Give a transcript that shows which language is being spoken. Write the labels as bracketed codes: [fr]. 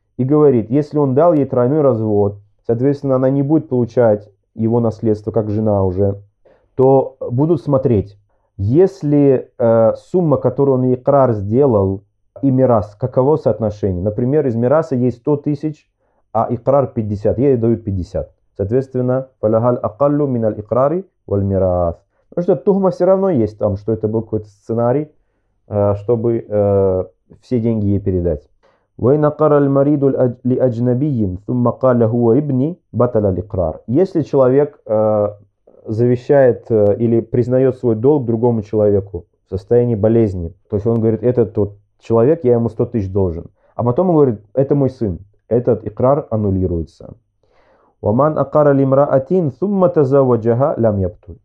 [ru] И говорит, если он дал ей тройной развод, соответственно, она не будет получать его наследство, как жена уже, то будут смотреть, если сумма, которую он икрар сделал, и мирас, каково соотношение? Например, из мираса есть 100 тысяч, а икрар 50, ей дают 50. Соответственно, [ar] «фалагаль акаллу миналь икрари валь мирас». [ru] Потому что тухма все равно есть там, что это был какой-то сценарий, чтобы все деньги ей передать. [ar] وإن أقر المريض لأجنبي ثم قال هو ابني بطل الإقرار. [ru] Если человек завещает или признает свой долг другому человеку в состоянии болезни, то есть он говорит, это тот человек, я ему 100 тысяч должен. А потом он говорит, это мой сын. Этот икрар аннулируется. [ar] وَمَنْ أَقَرَ لِمْرَأَةٍ ثُمَّ تَزَوَّجَهَا لَمْ يَبْتُلْ.